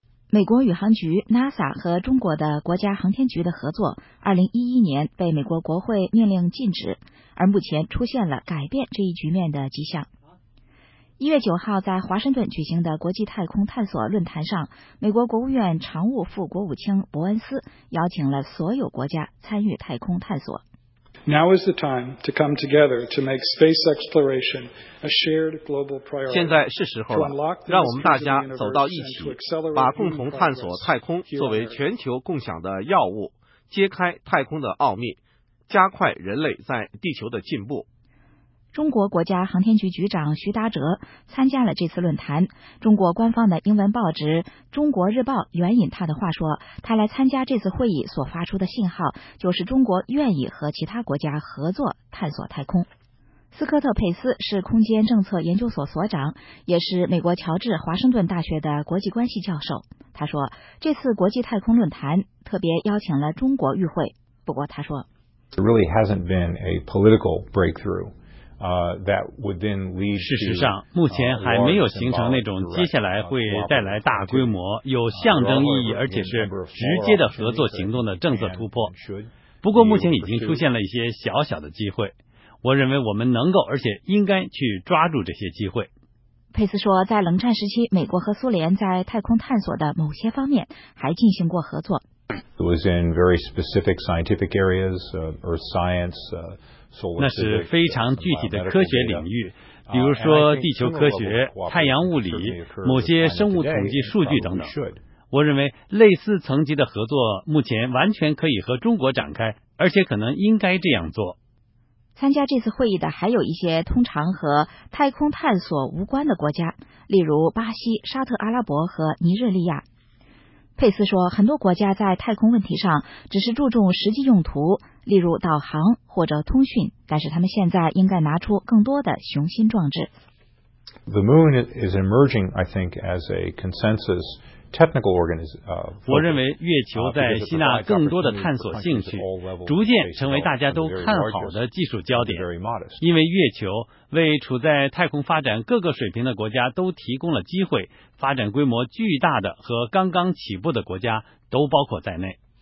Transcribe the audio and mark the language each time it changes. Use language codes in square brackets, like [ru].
[zh] 美国宇航局 NASA 和中国的国家航天局的合作2011年被美国国会命令禁止，而目前出现了改变这一局面的迹象。 1月9号在华盛顿举行的国际太空探索论坛上，美国国务院常务副国务卿伯恩斯邀请了所有国家参与太空探索。 Now is the time to come together to make space exploration a shared global priority. 现在是时候了，让我们大家走到一起，把共同探索太空作为全球共享的要务，揭开太空的奥秘，加快人类在地球的进步。中国国家航天局局长徐达哲参加了这次论坛。中国官方的英文报纸《中国日报》援引他的话说，他来参加这次会议所发出的信号，就是中国愿意和其他国家合作探索太空。斯科特·佩斯是空间政策研究所所长，也是美国乔治华盛顿大学的国际关系教授。他说，这次国际太空论坛特别邀请了中国与会。不过他说 [en] ，There really hasn't been a political breakthrough. That would then lead to, [zh] 事实上目前还没有形成那种接下来会带来大规模有象征意义而且是直接的合作行动的政策突破，不过目前已经出现了一些小小的机会，我认为我们能够而且应该去抓住这些机会。佩斯说，在冷战时期美国和苏联在太空探索的某些方面还进行过合作。 [en] It was in very specific scientific areas, Earth science, solar. [zh] 那是非常具体的科学领域，比如说地球科学、太阳物理、某些生物统计数据等等。我认为类似层级的合作目前完全可以和中国展开，而且可能应该这样做。参加这次会议的还有一些通常和太空探索无关的国家，例如巴西、沙特阿拉伯和尼日利亚。佩斯说，很多国家在太空问题上只是注重实际用途，例如导航或者通讯，但是他们现在应该拿出更多的雄心壮志。 [en] The moon is emerging, I think, as a consensus technical organism. [zh] 我认为月球在吸纳更多的探索兴趣，逐渐成为大家都看好的技术焦点，因为月球为处在太空发展各个水平的国家都提供了机会，发展规模巨大的和刚刚起步的国家都包括在内。